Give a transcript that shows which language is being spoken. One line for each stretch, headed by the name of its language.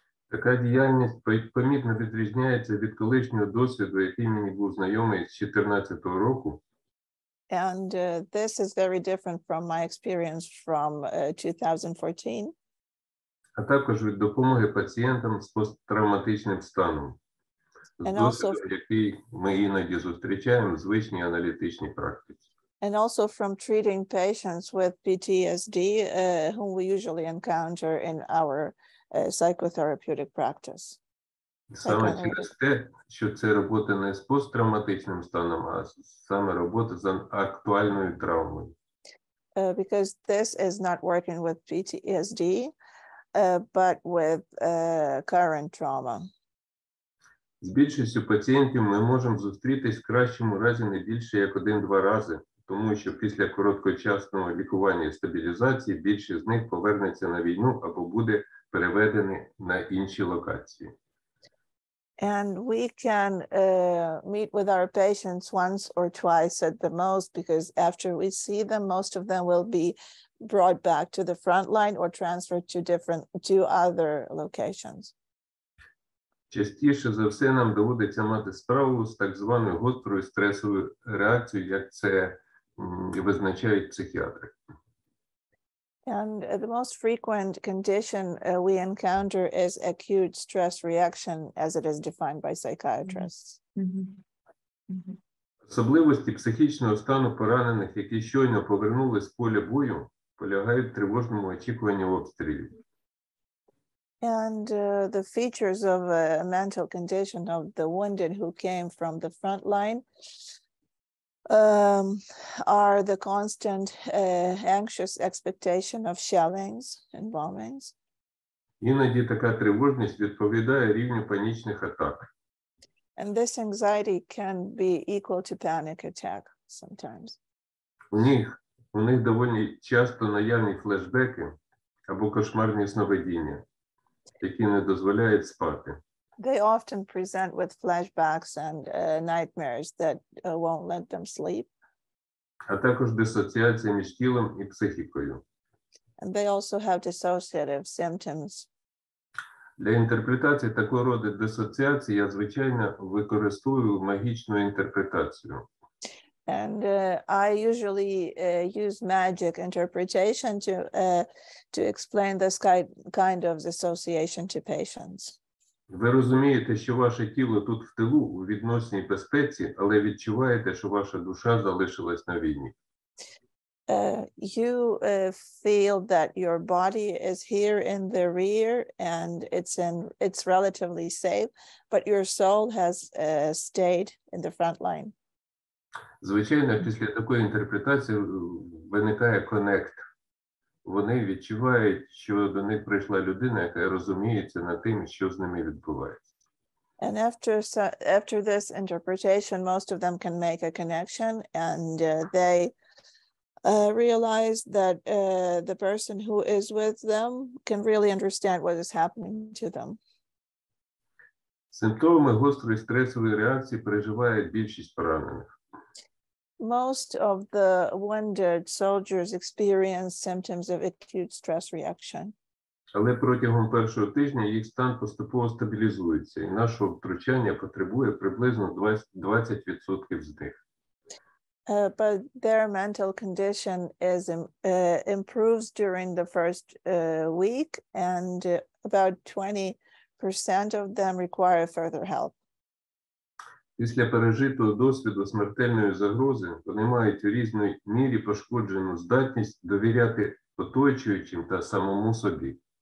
Ukrainian: Така діяльність помітно відрізняється від колишнього досвіду, який мені був знайомий з 14-го року.
English: And this is very different from my experience from 2014.
Ukrainian: А також від допомоги пацієнтам з посттравматичним станом. З досвіду, який ми іноді зустрічаємо в звичній аналітичній практиці.
English: And also from treating patients with PTSD, whom we usually encounter in our psychotherapeutic practice.
Ukrainian: Саме через те, що це робота не з посттравматичним станом, а саме робота з актуальною травмою.
English: Because this is not working with PTSD, but with current trauma.
Ukrainian: З більшістю пацієнтів ми можемо зустрітись в кращому разі не більше як 1-2 рази. Тому що після короткочасного лікування і стабілізації більшість з них повернеться на війну або буде переведені на інші локації.
English: And we can meet with our patients once or twice at the most, because after we see them, most of them will be brought back to the front line or transferred to different to other locations.
Ukrainian: Частіше за все нам доводиться мати справу з так званою гострою стресовою реакцією, як це визначають психіатри.
English: And the most frequent condition we encounter is acute stress reaction, as it is defined by psychiatrists.
Ukrainian: Особливості психічного стану поранених, які щойно повернулись з поля бою, полягають в тривожному очікуванні обстрілів.
English: And the features of a mental condition of the wounded who came from the front line are the constant anxious expectation of shellings and bombings.
Ukrainian: Іноді така тривожність відповідає рівню панічних атак.
English: And this anxiety can be equal to panic attack sometimes.
Ukrainian: У них доволі часто наявні флешбеки або кошмарні сновидіння, які не дозволяють спати.
English: They often present with flashbacks and nightmares that won't let them sleep.
Ukrainian: А також дисоціація між тілом і психікою.
English: And they also have dissociative symptoms.
Ukrainian: Для інтерпретації такого роду дисоціації я, звичайно, використовую магічну інтерпретацію.
English: And I usually use magic interpretation to explain this kind of dissociation to patients.
Ukrainian: Ви розумієте, що ваше тіло тут в тилу у відносній безпеці, але відчуваєте, що ваша душа залишилась на війні.
English: You feel that your body is here in the rear and it's relatively safe, but your soul has stayed in the front line.
Ukrainian: Звичайно, після такої інтерпретації виникає коннект. Вони відчувають, що до них прийшла людина, яка розуміється на тим, що з ними відбувається.
English: And after this interpretation, most of them can make a connection, and they realize that the person who is with them can really understand what is happening to them.
Ukrainian: Симптоми гострої стресової реакції переживає більшість поранених.
English: Most of the wounded soldiers experience symptoms of acute stress reaction.
Ukrainian: Але протягом першого тижня їх стан поступово стабілізується, і нашого втручання потребує приблизно 20% з них.
English: But their mental condition is improves during the first week, and about 20% of them require further help.
Ukrainian: Після пережитого досвіду смертельної загрози вони мають у різній мірі пошкоджену здатність довіряти оточуючим та самому собі.